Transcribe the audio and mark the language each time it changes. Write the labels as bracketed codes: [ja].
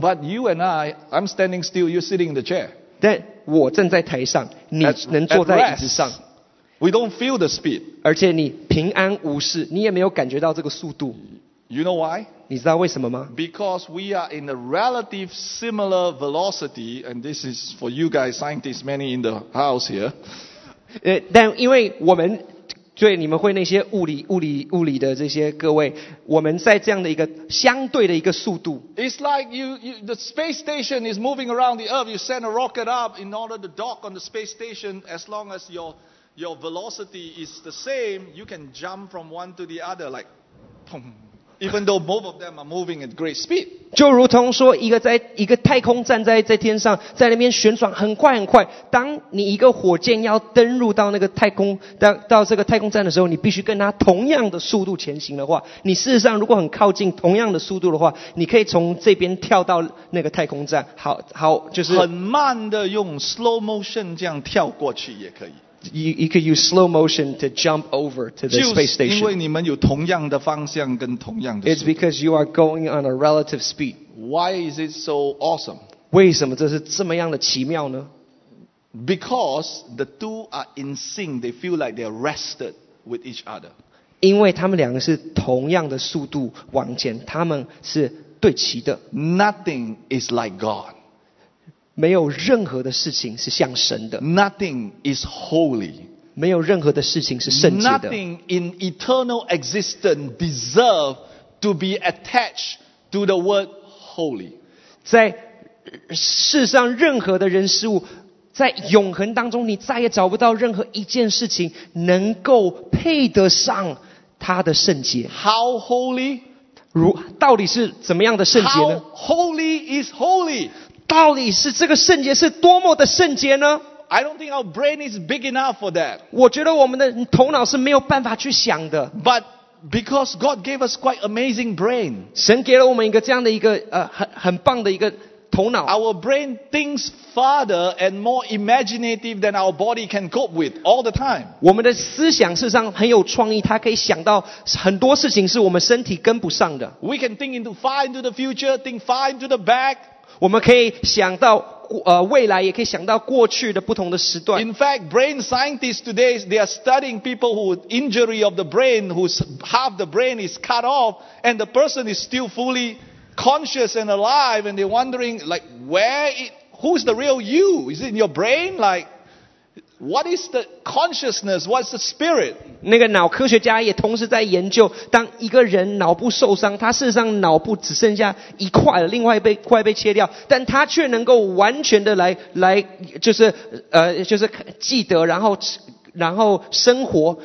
[en] But you and I, I'm standing still, you're sitting in the chair. [zh] 但我正在台上，你能坐在椅子上。 [en] We don't feel the speed. [zh] 而且你平安无事，你也没有感觉到这个速度。 [en] You know why? [zh] 你知道为什么吗？ [en] Because we are in a relative similar velocity, and this is for you guys, scientists, many in the house here. [zh] 但因为我们所以你们会那些物理的这些各位，我们在这样的一个相对的一个速度。 [en] It's like you the space station is moving around the earth. You send a rocket up in order to dock on the space station. As long as your velocity is the same, you can jump from one to the other like, boom. Even though both of them are moving at great speed. [zh] 就如同说一个太空站在天上，在那边旋转很快很快。当你一个火箭要登入到那个太空到这个太空站的时候，你必须跟它同样的速度前行的话，你事实上如果很靠近同样的速度的话，你可以从这边跳到那个太空站。好，就是很慢的用 slow motion 这样跳过去也可以。 [en] You could use slow motion to jump over to the space station. [zh] 就是因为你们有同样的方向跟同样的速度。 [en] It's because you are going on a relative speed. Why is it so awesome? [zh] 为什么这是这么样的奇妙呢？ [en] Because the two are in sync. They feel like they're rested with each other. [zh] 因为他们两个是同样的速度往前，他们是对齐的。 [en] Nothing is like God. [zh] 没有任何的事情是像神的。 [en] Nothing is holy. [zh] 没有任何的事情是圣洁的。 [en] Nothing in eternal existence deserves to be attached to the word holy. [zh] 在世上任何的人事物，在永恒当中，你再也找不到任何一件事情能够配得上他的圣洁。 [en] How holy? [zh] 到底是怎么样的圣洁呢？ [en] How holy is holy? [zh] 到底是这个圣洁是多么的圣洁呢？ [en] I don't think our brain is big enough for that. [zh] 我觉得我们的头脑是没有办法去想的。 [en] But because God gave us quite amazing brain. [zh] 神给了我们一个这样的一个很棒的一个头脑。 [en] Our brain thinks farther and more imaginative than our body can cope with all the time. [zh] 我们的思想事实上很有创意，它可以想到很多事情是我们身体跟不上的。 [en] We can think far into the future, think far into the back. [zh] 我们可以想到未来，也可以想到过去的不同的时段。 [en] In fact, brain scientists today, they are studying people who injury of the brain, whose half the brain is cut off, and the person is still fully conscious and alive, and they're wondering, like, who's the real you? Is it in your brain? Like, what is the consciousness? What's the spirit? [zh] 那个脑科学家也同时在研究，当一个人脑部受伤，他事实上脑部只剩下一块了，另外一块被切掉，但他却能够完全的来就是记得，然后生活。